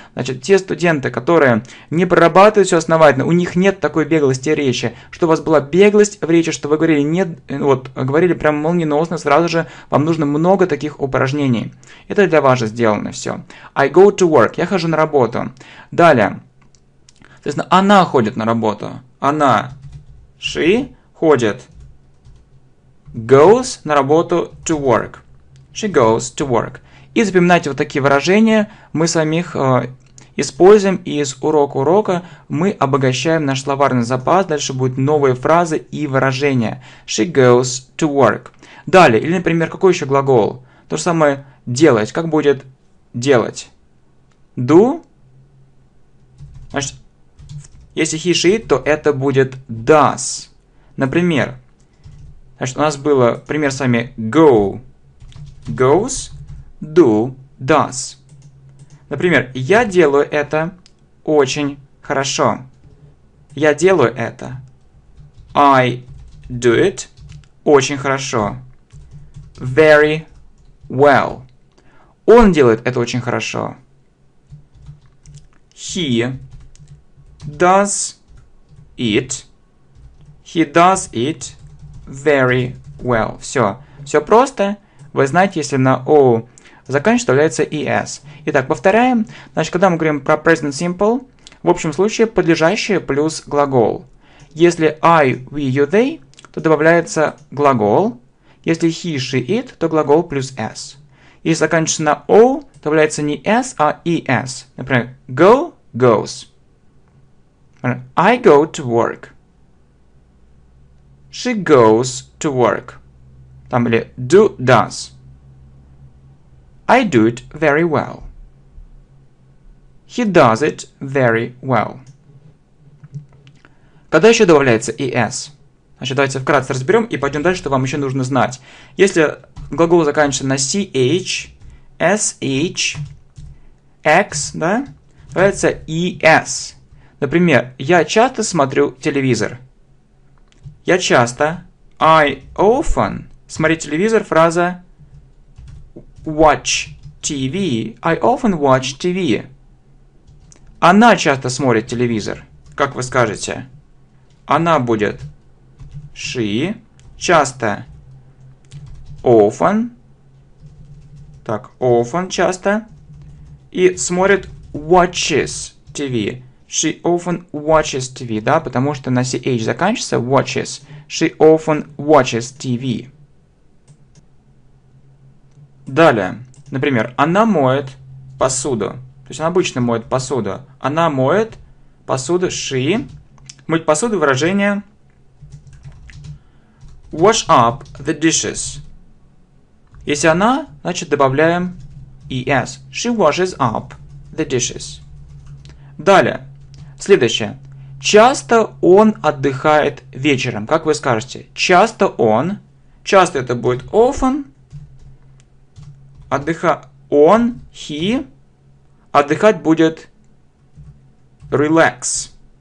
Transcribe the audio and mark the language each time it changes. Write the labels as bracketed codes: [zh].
[ru] Значит, те студенты, которые не прорабатывают все основательно, у них нет такой беглости речи, что у вас была беглость в речи, что вы говорили нет, вот, говорили прямо молниеносно, сразу же вам нужно много таких упражнений. Это для вас же сделано все. [en] I go to work, [ru] я хожу на работу. Далее. Соответственно, она ходит на работу. Она. She. Ходит. [en] Goes [ru] на работу [en] to work. She goes to work. [ru] И запоминайте вот такие выражения. Мы самих используем из урока урока. Мы обогащаем наш словарный запас. Дальше будут новые фразы и выражения. [en] She goes to work. Далее. [ru] Или, например, какой еще глагол? То же самое делать. Как будет делать? Do. Значит, если he, she, то это будет does. Например, значит, у нас было пример с вами go, goes, do, does. Например, я делаю это очень хорошо. Я делаю это. [en] I do it [ru] очень хорошо. [en] Very well. [ru] Он делает это очень хорошо. [en] He does it. He does it very well. [ru] Все. Все просто. Вы знаете, если на O заканчивается ES. Итак, повторяем. Значит, когда мы говорим про present simple, в общем случае подлежащее плюс глагол. Если I, we, you, they, то добавляется глагол. Если he, she, it, то глагол плюс S. Если заканчивается на O, добавляется не S, а ES. [en] Например, go, goes. I go to work. She goes to work. [ru] Там или do, does. [en] I do it very well. He does it very well. [ru] Когда еще добавляется ES? Значит, давайте вкратце разберем и пойдем дальше, что вам еще нужно знать. Если глагол заканчивается на CH, SH, X, да, добавляется ES. Например, я часто смотрю телевизор. Я часто, I often, смотрю телевизор, фраза watch TV, [en] I often watch TV. [ru] Она часто смотрит телевизор. Как вы скажете? Она будет she, часто, often, так, often, часто, и смотрит [en] watches TV. She often watches TV, [ru] да, потому что на CH заканчивается [en] watches. She often watches TV. [ru] Далее, например, она моет посуду. То есть она обычно моет посуду. Она моет посуду, she. Мыть посуду, выражение [en] wash up the dishes. [ru] Если она, значит добавляем ES. [en] She washes up the dishes. [ru] Далее. Следующее. Часто он отдыхает вечером. Как вы скажете? Часто он. Часто это будет often. Он, he. Отдыхать будет relax.